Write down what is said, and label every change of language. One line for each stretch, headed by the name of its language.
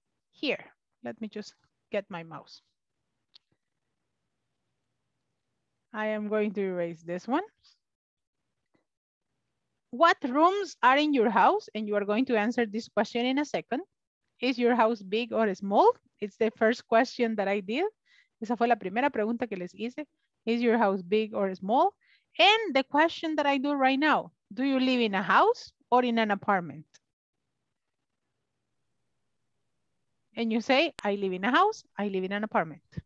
English: Here, let me just get my mouse. I am going to erase this one. What rooms are in your house? And you are going to answer this question in a second. Is your house big or small? It's the first question that I did.
Spanish: Esa fue la primera pregunta que les hice.
English: Is your house big or small? And the question that I do right now, do you live in a house or in an apartment? And you say, I live in a house, I live in an apartment.